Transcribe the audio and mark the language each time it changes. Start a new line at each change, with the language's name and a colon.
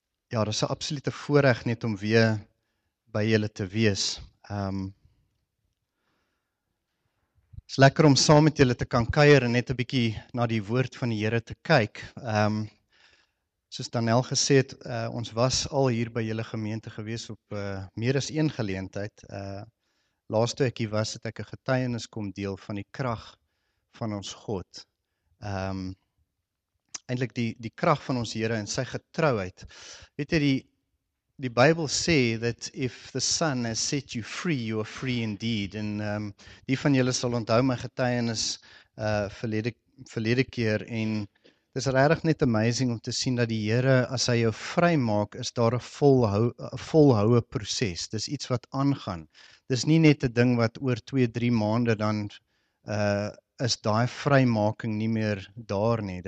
Afrikaans: Ja, dis 'n absolute voorreg net om weer by julle te wees. Is lekker om saam met julle te kan kuier en net 'n bietjie na die woord van die Here te kyk. Soos Danel gesê het, ons was al hier by julle gemeente gewees op meer as een geleentheid. Laaste ek hier was, het ek 'n getuienis kom deel van die krag van ons God. Eintlik die krag van ons Here en sy getrouheid. Weet jy, die Bybel sê
English: that if the Son has set you free, you are free indeed.
Afrikaans: En die van julle sal onthou my getuienis verlede keer en dit is regtig net amazing om te sien dat die Here, as hy jou vry maak, is daar 'n volhoue proses. Dis iets wat aangaan. Dis nie net 'n ding wat oor 2-3 maande dan is daai vrymaking nie meer daar nie.